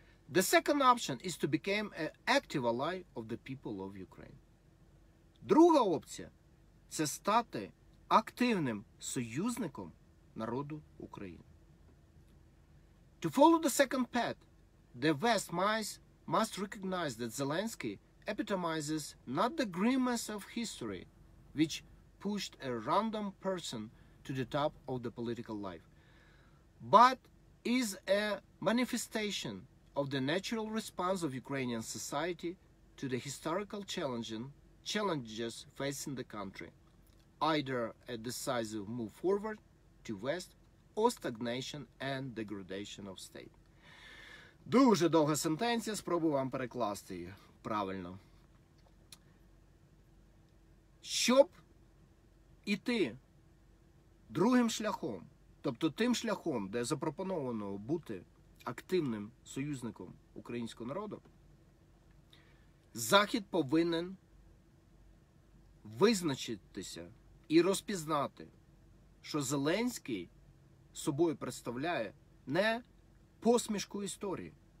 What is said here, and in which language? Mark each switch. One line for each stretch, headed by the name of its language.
English: The second option is to become an active ally of the people of Ukraine.
Ukrainian: Друга опція – це стати активним союзником народу України.
English: To follow the second path, the West must recognize that Zelensky epitomizes not the grimace of history, which pushed a random person to the top of the political life, but is a manifestation of the natural response of Ukrainian society to the historical challenges facing the country, either a decisive move forward to West or stagnation and degradation of state.
Ukrainian: Дуже довга сентенція, спробую вам перекласти її правильно. Щоб іти другим шляхом, тобто тим шляхом, де запропоновано бути активним союзником українського народу, Захід повинен визначитися і розпізнати, що Зеленський собою представляє не посмішку історії,